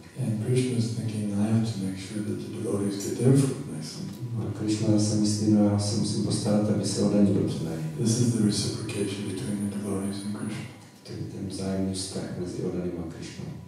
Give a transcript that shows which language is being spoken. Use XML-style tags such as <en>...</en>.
<en>And Krishna is thinking, I have to make sure that the devotees get their food nicely.</en> <cs>A Krishna se myslí, no já se musím postarat, aby se oddaň dobře mají.</cs> <en>This is the reciprocation between the devotees and Krishna.</en> <cs>To je ten vzájemný vztah mezi oddaným a Krishna.</cs>